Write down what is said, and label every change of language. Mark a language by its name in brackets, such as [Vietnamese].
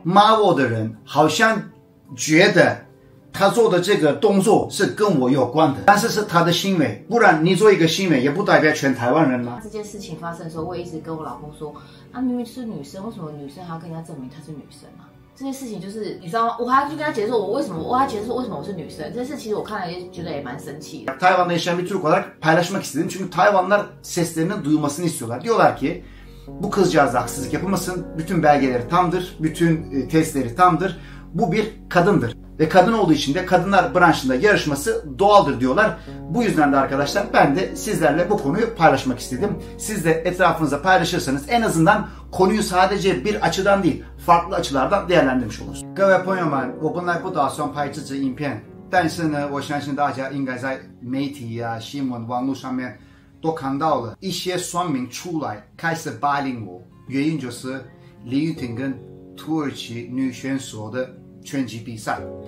[Chinese] 骂我的人好像觉得他做的这个动作是跟我有关的，但是是他的行为，不然你做一个行为也不代表全台湾人吗？这件事情发生的时候，我一直跟我老公说，啊，明明是女生，为什么女生还要跟人家证明她是女生啊？这件事情就是你知道吗？我还要去跟他解释我为什么，我还解释为什么我是女生。这件事其实我看了觉得也蛮生气的。台湾的 [Turkish] yaşayan bir Türk olarak paylaşmak istedim çünkü Tayvanlar seslerinin duyulmasını istiyorlar. Diyorlar ki bu kızcağız haksızlık yapılmasın, bütün belgeleri tamdır, bütün testleri tamdır. Bu bir kadındır. Ve kadın olduğu için de kadınlar branşında yarışması doğaldır diyorlar. Bu yüzden de arkadaşlar ben de sizlerle bu konuyu paylaşmak istedim. Siz de etrafınıza paylaşırsanız en azından konuyu sadece bir açıdan değil, farklı açılardan değerlendirmiş olursunuz. [Chinese] 各位朋友们，我本来不打算拍这支影片，但是呢，我相信大家应该在媒体呀、新闻、网络上面都看到了一些酸民出来开始霸凌我，原因就是李玉婷跟土耳其女选手的拳击比赛。